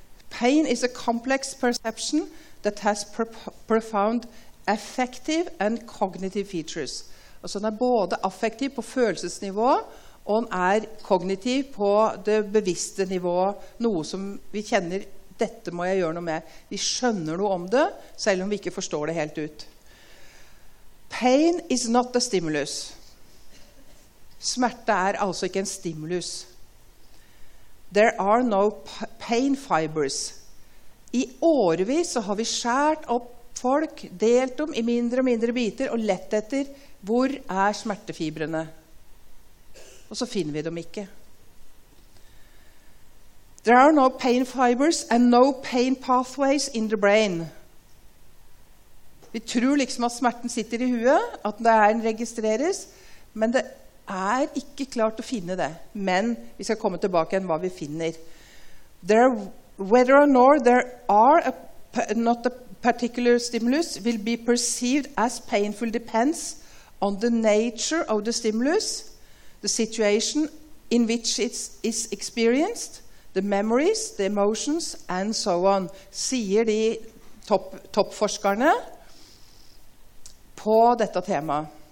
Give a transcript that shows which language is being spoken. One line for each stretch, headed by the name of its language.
English: «Pain is a complex perception» that has profound affective and cognitive features.
Norwegian: Altså den er både affektiv på følelsesnivå, og den er kognitiv på det bevisste nivået, noe som vi kjenner, dette må jeg gjøre noe med. Vi skjønner noe om det, selv om vi ikke forstår det helt ut.
English: Pain is not the stimulus.
Norwegian: Smerte er altså ikke en stimulus.
English: There are no pain fibers.
Norwegian: I årevis så har vi skjært opp folk, delt dem i mindre og mindre biter, og lett etter hvor er smertefibrene. Og så finner vi dem ikke.
English: There are no pain fibers and no pain pathways in the brain.
Norwegian: Vi tror liksom at smerten sitter i huet, at den registreres, men det er ikke klart å finne det. Men vi skal komme tilbake igjen hva vi finner.
English: There are whether or not there are not a particular stimulus will be perceived as painful depends on the nature of the stimulus, the situation in which it is experienced, the memories, the emotions, and so on,
Norwegian: sier de toppforskerne på dette temaet.